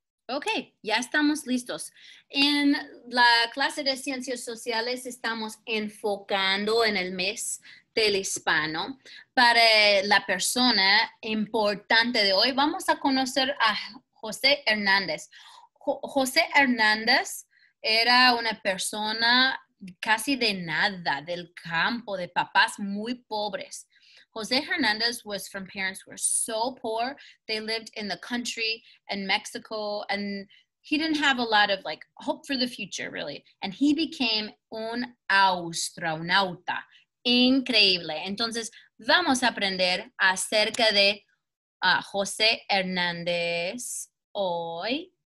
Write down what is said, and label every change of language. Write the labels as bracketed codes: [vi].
[es] Ok, ya estamos listos. En la clase de ciencias sociales estamos enfocando en el mes del hispano. Para la persona importante de hoy, vamos a conocer a José Hernández. José Hernández era una persona casi de nada, del campo, de papás muy pobres. [en] Jose Hernandez was from parents who were so poor. They lived in the country in Mexico, and he didn't have a lot of, like, hope for the future, really. And he became [es] un astronauta. Increíble. Entonces, vamos a aprender acerca de José Hernández hoy.